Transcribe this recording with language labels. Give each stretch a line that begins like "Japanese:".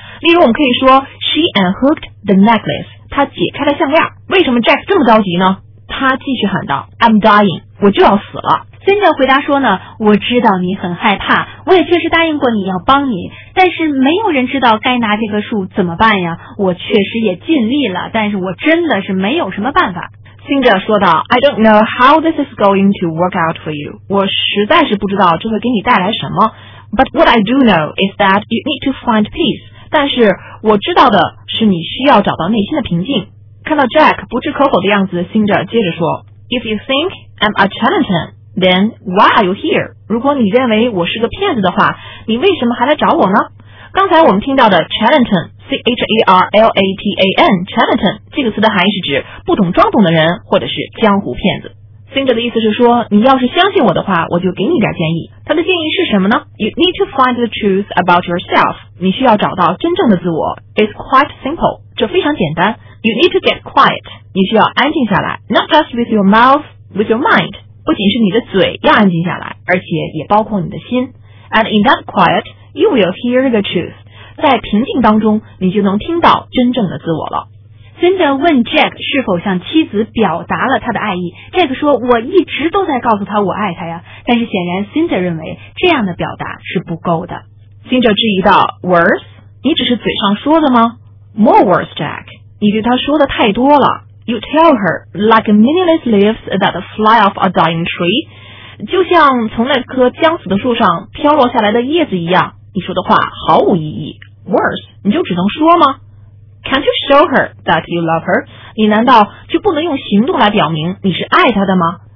Chinese: 例如我们可以说
English: She unhooked the necklace，
Chinese: 她解开了项链。为什么 Jack 这么着急呢？他继续喊道
English: I'm dying，
Chinese: 我就要死了。真正回答说呢，我知道你很害怕，我也确实答应过你要帮你，但是没有人知道该拿这棵树怎么办呀，我确实也尽力了，但是我真的是没有什么办法。辛哲说道，
English: I don't know how this is going to work out for you.
Chinese: 我实在是不知道这会给你带来什么。
English: But what I do know is that you need to find peace.
Chinese: 但是我知道的是你需要找到内心的平静。看到 Jack 不置可否的样子，辛哲接着说，
English: If you think I'm a charlatan, then why are you here?
Chinese: 如果你认为我是个骗子的话，你为什么还来找我呢？刚才我们听到的 charlatan,C-H-E-R-L-A-T-A-N, charlatan, 这个词的含义是指不懂装懂的人或者是江湖骗子。 Singer 的意思是说，你要是相信我的话，我就给你点建议。他的建议是什么呢？
English: You need to find the truth about yourself.
Chinese: 你需要找到真正的自我。
English: It's quite simple.
Chinese: 这非常简单。
English: You need to get quiet.
Chinese: 你需要安静下来。
English: Not just with your mouth, with your mind.
Chinese: 不仅是你的嘴要安静下来，而且也包括你的心。
English: And in that quiet, you will hear the truth.
Chinese: 在平静当中，你就能听到真正的自我了。 Cinder 问 Jack 是否向妻子表达了他的爱意。 Jack 说，我一直都在告诉他我爱他呀。但是显然 Cinder 认为这样的表达是不够的。 Cinder 质疑道， Words? 你只是嘴上说的吗？
English: More words, Jack.
Chinese: 你对他说的太多了。
English: You tell her, like meaningless leaves that fly off a dying tree.
Chinese: 就像从那棵将死的树上飘落下来的叶子一样。你说的话毫无意义。Worse, 你就只能说吗？
English: Can't you show her that you love her?
Chinese: 你难道就不能用行动来表明你是爱她的吗？